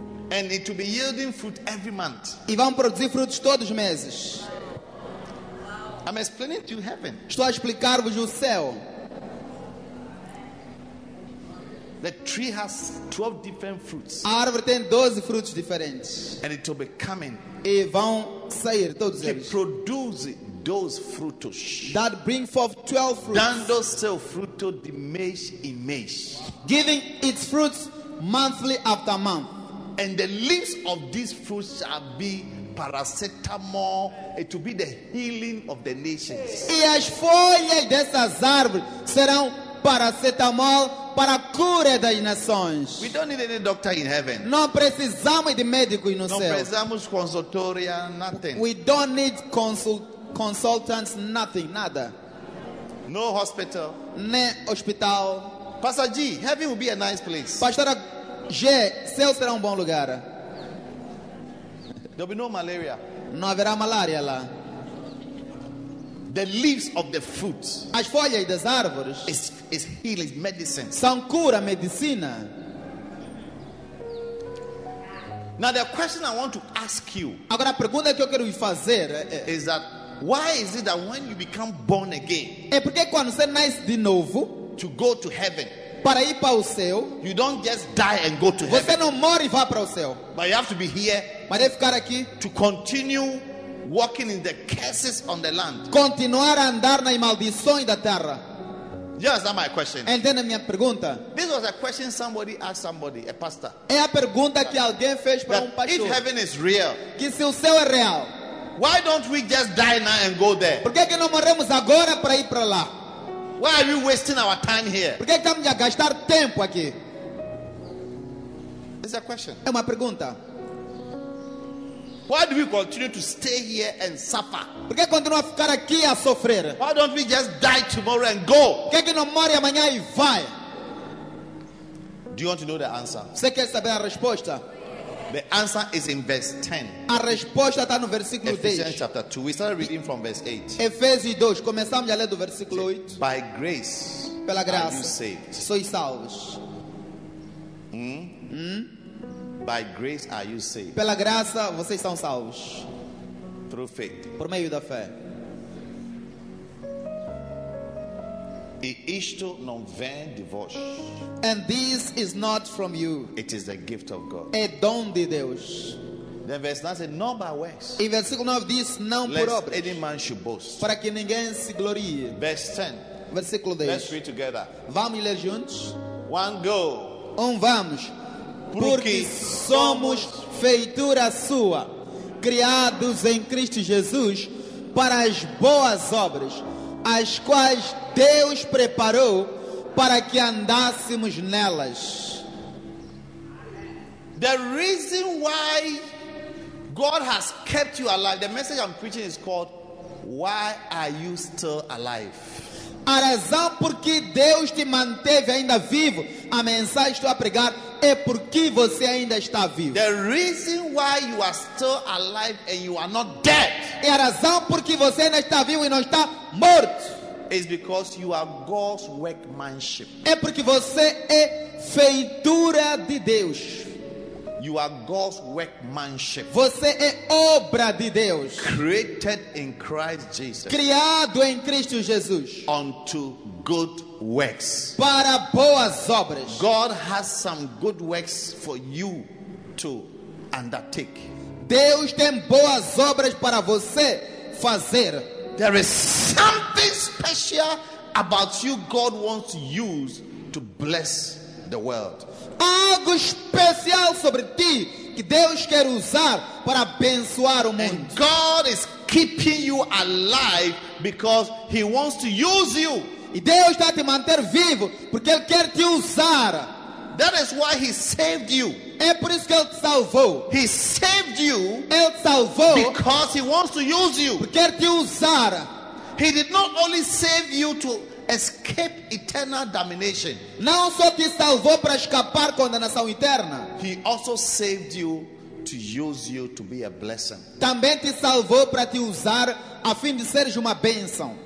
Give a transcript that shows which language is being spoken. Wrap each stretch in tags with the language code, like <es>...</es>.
<en>and it will be yielding fruit every month.</en> <pt>E vão produzir frutos todos os meses.</pt> <en>I'm explaining to you heaven.</en> <pt>Estou a explicar-vos o céu.</pt> <en>The tree has 12 different fruits.</en> <pt>A árvore tem 12 frutos diferentes.</pt> <en>And it will be coming.</en> <pt>E vão sair todos eles. Que produzem</pt> <en>those</en> <pt>frutos.</pt> <en>That bring forth 12 fruits.</en> <pt>Dando seu fruto de mês em mês.</pt> <en>Giving its fruits monthly after month. And the leaves of these fruits shall be paracetamol. It will be the healing of the nations.</en> <pt>E as folhas dessas árvores serão paracetamol. para a cura das nações.</pt> <en>We don't need any doctor in heaven.</en> <pt>Não precisamos de médico no céu. Não precisamos consultoria,</pt> <en>nothing. We don't need consultants, nothing,</en> <pt>nada.</pt> <en>No hospital.</en> <pt>Nem hospital.</pt> <en>Pastor G, heaven will be a nice place.</en> <pt>Pastor G, céu será bom lugar.</pt> <en>There'll be no malaria.</en> <pt>Não haverá malária lá.</pt> <en>The leaves of the fruits.</en> <pt>As folhas das árvores.</pt> <en>Is healing, medicine.</en> <pt>São cura, medicina.</pt> <en>Now the question I want to ask you.</en> <pt>Agora a pergunta que eu quero lhe fazer é,</pt> <en>is that why is it that when you become born again?</en> <pt>É porque quando você nasce de novo,</pt> <en>to go to heaven.</en> <pt>Para ir para o céu.</pt> <en>You don't just die and go to</en> <pt>você</pt> <en>heaven.</en> <pt>Você não morre e vai para o céu.</pt> <en>But you have to be here.</en> <pt>Mas deve ficar aqui.</pt> <en>To continue walking in the curses on the land.</en> <pt>Continuar a andar nas maldições da terra.</pt> <en>Yes, that's my question.</en> <pt>Entende minha pergunta?</pt> <en>This was a question somebody asked somebody, a pastor.</en> <pt>É a pergunta que alguém fez para um pastor.</pt> <en>If heaven is real,</en> <pt>que se o céu é real,</pt> <en>why don't we just die now and go there?</en> <pt>Por que que não morremos agora para ir para lá?</pt> <en>Why are we wasting our time here?</en> <pt>Por que estamos a gastar tempo aqui?</pt> <en>It's a question.</en> <pt>É uma pergunta.</pt> <en>Why do we continue to stay here and suffer?</en> <pt>Por que continuamos a ficar aqui a sofrer?</pt> <en>Why don't we just die tomorrow and go?</en> <pt>Por que não morre amanhã e vai?</pt> <en>Do you want to know the answer?</en> <pt>Você quer saber a resposta?</pt> <en>The answer is in verse 10.</en> <pt>A resposta está no versículo 10.</pt> <en>Ephesians chapter 2. We started reading from verse 8.</en> <pt>Efésios 2. Começamos a ler do versículo 8.</pt> <en>By grace,</en> <pt>pela graça,</pt> <en>are you saved?</en> <pt>Sois salvos.</pt> <en>By grace are you saved?</en> <pt>Pela graça vocês são salvos.</pt> <en>Through faith.</en> <pt>Por meio da fé. E isto não vem de vós.</pt> <en>And this is not from you. It is the gift of God.</en> <pt>É dom de Deus.</pt> <en>Then verse 9 says, not by works.</en> <pt>Em versículo 9 diz, não</pt> <en>lest</en> <pt>por obras.</pt> <en>Any man should boast.</en> <pt>Para que ninguém se glorie.</pt> <en>Verse 10.</en> <pt>Versículo 10.</pt> <en>Let's read together.</en> <pt>Vamos ler juntos.</pt> <en>One go.</en> <pt>Vamos. Porque somos feitura sua, criados em Cristo Jesus para as boas obras, as quais Deus preparou para que andássemos nelas.</pt> <en>The reason why God has kept you alive, the message I'm preaching is called Why Are You Still Alive?</en> <pt>A razão porque Deus te manteve ainda vivo, a mensagem que estou a pregar é porque você ainda está vivo.</pt> <en>The reason why you are still alive and you are not dead.</en> <pt>É a razão porque você ainda está vivo e não está morto.</pt> <en>Is because you are God's workmanship.</en> <pt>É porque você é feitura de Deus.</pt> <en>You are God's workmanship.</en> <pt>Você é obra de Deus.</pt> <en>Created in Christ Jesus.</en> <pt>Criado em Cristo Jesus.</pt> <en>Unto good works.</en> <pt>Para boas obras.</pt> <en>God has some good works for you to undertake.</en> <pt>Deus tem boas obras para você fazer.</pt> <en>There is something special about you God wants to use to bless the world.</en> <pt>Algo especial sobre ti que Deus quer usar para abençoar o mundo.</pt> <en>And God is keeping you alive because he wants to use you.</en> <pt>E Deus está te manter vivo porque ele quer te usar.</pt> <en>That is why he saved you.</en> <pt>É por isso que ele te salvou.</pt> <en>He saved you.</en> <pt>Ele te salvou</pt> <en>because he wants to use you.</en> <pt>Porque quer te usar.</pt> <en>He did not only save you to escape eternal damnation.</en> <pt>Não só te salvou para escapar condenação eterna.</pt> <en>He also saved you to use you to be a blessing.</en> <pt>Também te salvou para te usar a fim de seres uma bênção.</pt>